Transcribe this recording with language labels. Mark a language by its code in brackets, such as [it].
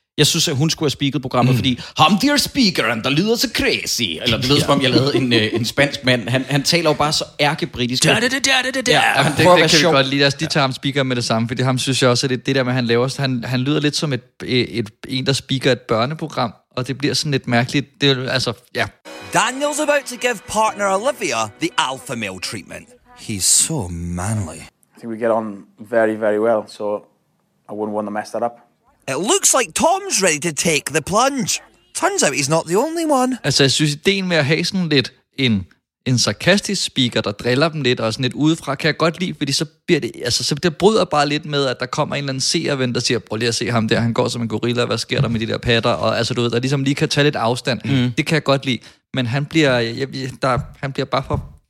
[da] Jeg synes, at hun skulle have speaket programmet, fordi ham der speakeren, der lyder så crazy. Eller det lyder som om, jeg lavede en spansk mand. Han taler jo bare så ærkebritisk. Ja, det kan vi godt lide. De tager ham speaker med det samme, fordi ham synes jeg også, at det der med, han laver, han lyder lidt som en, der speaker et børneprogram, og det bliver sådan lidt mærkeligt. [en] Daniel's about to give partner Olivia the alpha male treatment. He's so manly. I think we get on very, very well, so I wouldn't want to mess that up. It looks like Tom's ready to take the plunge. Turns out he's not the only one. [da] Altså, jeg synes, ideen med at have sådan lidt en sarkastisk speaker, der driller dem lidt og sådan lidt udefra, kan jeg godt lide, fordi så bliver det, altså, så det bryder bare lidt med, at der kommer en eller anden seerven, der siger, prøv lige at se ham der, han går som en gorilla, hvad sker der med de der patter, og altså, du ved, der ligesom lige kan tage lidt afstand. Mm. Det kan jeg godt lide, men han bliver, han bliver bare for...